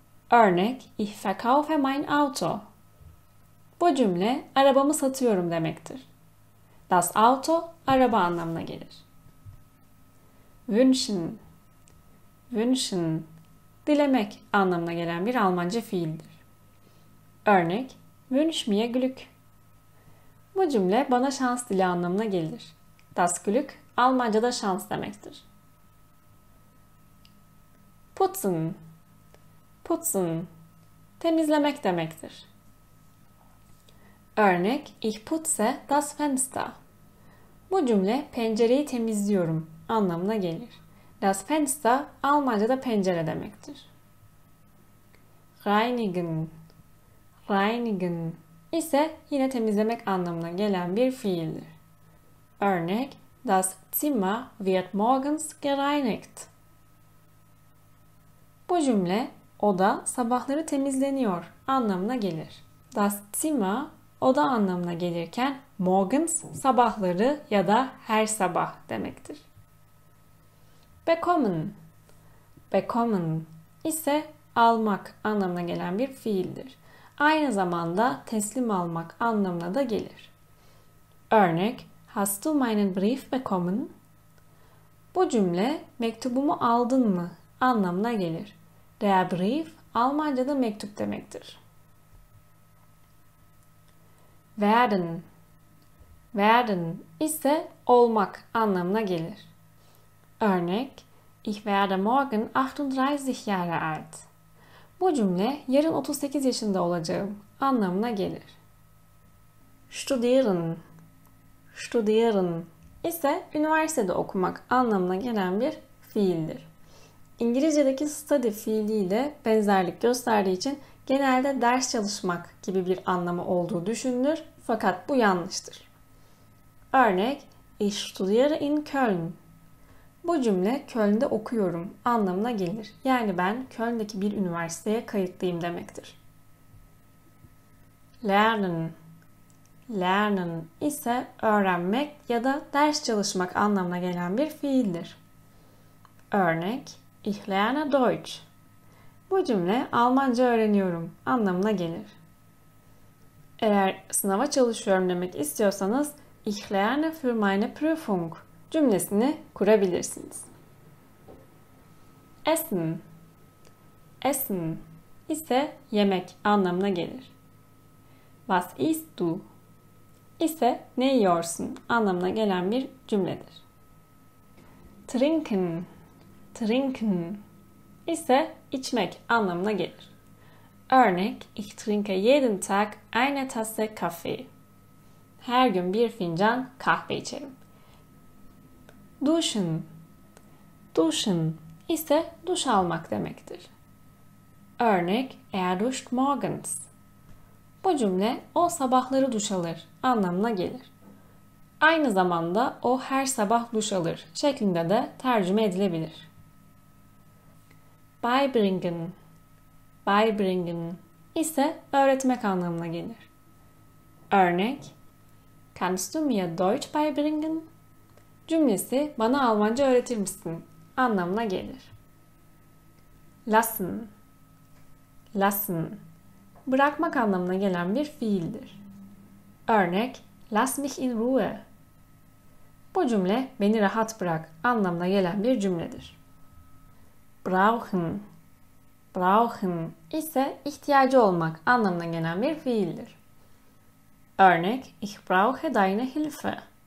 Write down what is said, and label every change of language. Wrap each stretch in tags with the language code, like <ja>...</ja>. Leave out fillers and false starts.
<tr>Örnek:</tr> <de>Ich verkaufe mein Auto.</de> <tr>Bu cümle arabamı satıyorum demektir. Das Auto araba anlamına gelir. Wünschen. Wünschen dilemek anlamına gelen bir Almanca fiildir. Örnek:</tr> <de>Wünsch mir Glück.</de> <tr>Bu cümle bana şans dile anlamına gelir. Das Glück Almanca'da şans demektir. Putzen. Putzen temizlemek demektir. Örnek:</tr> <de>Ich putze das Fenster.</de> <tr>Bu cümle pencereyi temizliyorum anlamına gelir. Das Fenster Almanca'da pencere demektir. Reinigen. Reinigen ise yine temizlemek anlamına gelen bir fiildir. Örnek:</tr> <de>Das Zimmer wird morgens gereinigt.</de> <tr>Bu cümle oda sabahları temizleniyor anlamına gelir. Das Zimmer oda anlamına gelirken morgens sabahları ya da her sabah demektir. Bekommen. Bekommen ise almak anlamına gelen bir fiildir. Aynı zamanda teslim almak anlamına da gelir. Örnek:</tr> <de>Hast du meinen Brief bekommen?</de> <tr>Bu cümle mektubumu aldın mı anlamına gelir. Der Brief Almanca'da mektup demektir. Werden. Werden ise olmak anlamına gelir. Örnek:</tr> <de>Ich werde morgen 38 Jahre alt.</de> <tr>Bu cümle yarın 38 yaşında olacağım anlamına gelir. Studieren. Studieren ise üniversitede okumak anlamına gelen bir fiildir. İngilizce'deki study fiiliyle benzerlik gösterdiği için genelde ders çalışmak gibi bir anlamı olduğu düşünülür fakat bu yanlıştır. Örnek:</tr> <de>Ich studiere in Köln.</de> <tr>Bu cümle Köln'de okuyorum anlamına gelir. Yani ben Köln'deki bir üniversiteye kayıtlıyım demektir. Lernen. Lernen ise öğrenmek ya da ders çalışmak anlamına gelen bir fiildir. Örnek:</tr> <de>Ich lerne Deutsch.</de> <tr>Bu cümle Almanca öğreniyorum anlamına gelir. Eğer sınava çalışıyorum demek istiyorsanız</tr> <de>Ich lerne für meine Prüfung</de> <tr>cümlesini kurabilirsiniz. Essen. Essen ise yemek anlamına gelir.</tr> <de>Was isst du?</de> <tr>İse ne yiyorsun anlamına gelen bir cümledir. Trinken. Trinken ise içmek anlamına gelir. Örnek:</tr> <de>Ich trinke jeden Tag eine Tasse Kaffee.</de> <tr>Her gün bir fincan kahve içerim. Duschen. Duschen ise duş almak demektir. Örnek:</tr> <de>Er duscht morgens.</de> <tr>Bu cümle o sabahları duş alır anlamına gelir. Aynı zamanda o her sabah duş alır şeklinde de tercüme edilebilir. Beibringen. Beibringen ise öğretmek anlamına gelir. Örnek:</tr> <de>Kannst du mir Deutsch beibringen?</de> <tr>Cümlesi bana Almanca öğretir misin anlamına gelir. Lassen. Lassen. Bırakmak anlamına gelen bir fiildir. Örnek:</tr> <de>Lass mich in Ruhe.</de> <tr>Bu cümle beni rahat bırak anlamına gelen bir cümledir. Brauchen. Brauchen ise ihtiyacı olmak anlamına gelen bir fiildir. Örnek:</tr> <de>Ich brauche deine Hilfe.</de>